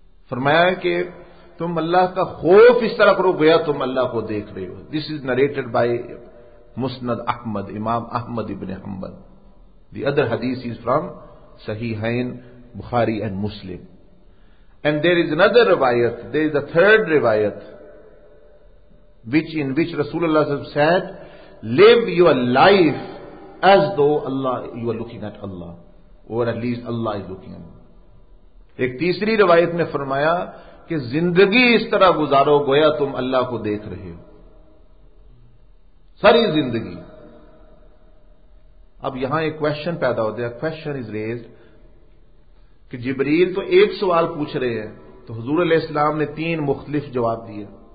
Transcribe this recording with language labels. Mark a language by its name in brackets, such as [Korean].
[Urdu] فرمایا کہ تم اللہ کا خوف اس طرح کرو گویا تم اللہ کو دیکھ رہے ہو. [English] This is narrated by Musnad Ahmad, Imam Ahmad ibn Hanbal. The other hadith is from Sahihain, Bukhari and Muslim. And there is another riwayat, there is a third riwayat in which Rasulullah said, live your life as though Allah, you are looking at Allah, or at least Allah is looking at you. [Urdu] ایک تیسری روایت میں فرمایا کہ زندگی اس طرح گزارو گویا تم اللہ کو دیکھ رہے ہو ساری زندگی. اب یہاں ایک question پیدا ہوتا ہے, [English] question is raised [Urdu] کہ جبریل تو ایک سوال پوچھ رہے ہیں تو حضور علیہ السلام نے تین مختلف جواب دیے.